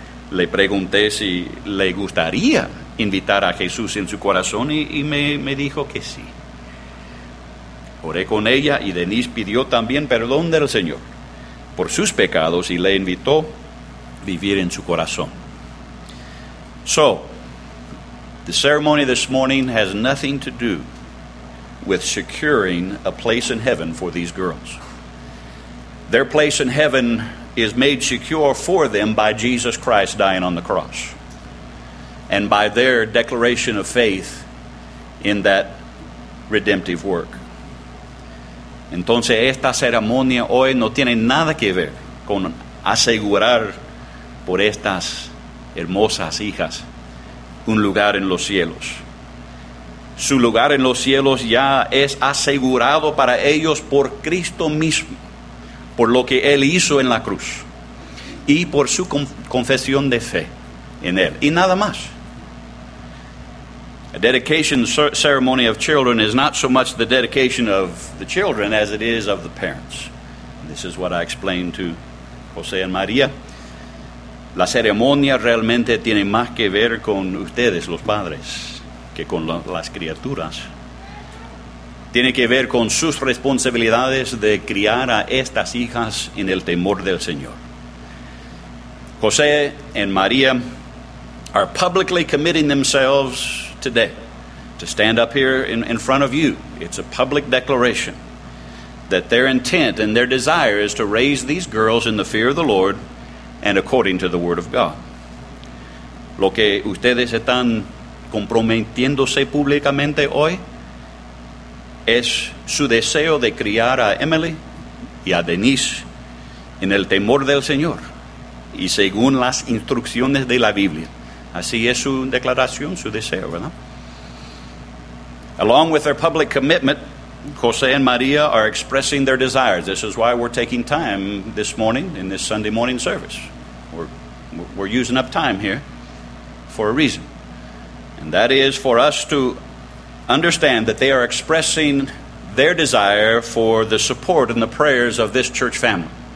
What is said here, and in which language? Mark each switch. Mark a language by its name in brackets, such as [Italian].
[Spanish] Le pregunté si le gustaría invitar a Jesús en su corazón, y me dijo que sí. Oré con ella, y Denise pidió también perdón del Señor por sus pecados, y le invitó a vivir en su corazón. [English] So, the ceremony this morning has nothing to do with securing a place in heaven for these girls. Their place in heaven is made secure for them by Jesus Christ dying on the cross, and by their declaration of faith in that redemptive work. [Spanish] Entonces, esta ceremonia hoy no tiene nada que ver con asegurar por estas hermosas hijas un lugar en los cielos. Su lugar en los cielos ya es asegurado para ellos por Cristo mismo, por lo que Él hizo en la cruz y por su confesión de fe en Él. Y nada más. [English] A dedication ceremony of children is not so much the dedication of the children as it is of the parents. This is what I explained to José and María. [Spanish] La ceremonia realmente tiene más que ver con ustedes, los padres, que con las criaturas. Tiene que ver con sus responsabilidades de criar a estas hijas en el temor del Señor. [English] José and María are publicly committing themselves today to stand up here in front of you. It's a public declaration that their intent and their desire is to raise these girls in the fear of the Lord and according to the word of God. [Spanish] Lo que ustedes están comprometiéndose públicamente hoy es su deseo de criar a Emily y a Denise en el temor del Señor y según las instrucciones de la Biblia. Así es su declaración, su deseo, ¿verdad? [English] Along with their public commitment, José and María are expressing their desires. This is why we're taking time this morning in this Sunday morning service. We're using up time here for a reason. And that is for us to understand that they are expressing their desire for the support and the prayers of this church family.